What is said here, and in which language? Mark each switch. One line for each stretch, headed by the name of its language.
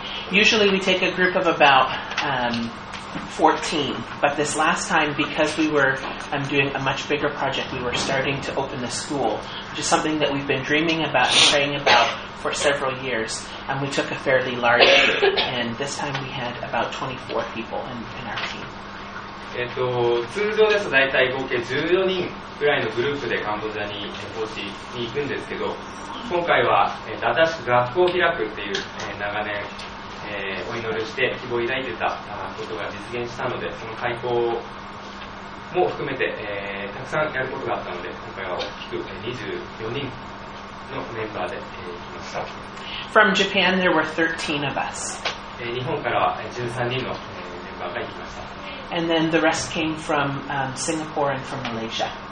English: Usually we take a group of about, 14, but this last time, because we were doing a much bigger project, we were starting to open the school, which is something that we've been dreaming about and praying about for several years, and we took a fairly large group, and this time we had about 24 people in our team.
Japanese: 通常ですと大体合計14人ぐらいのグループでカンボジアに投資に行くんですけど、今回は新しく学校を開くっていう、長年お祈りして希望を抱いていたことが実現したので、その開講も含めて、たくさんやることがあったので、今回は大きく24人のメンバーで、来ました。
English: From Japan, there were 13 of us.
Japanese: 日本からは13人の、メンバーが来ました。
English: And then the rest came from, Singapore and from Malaysia.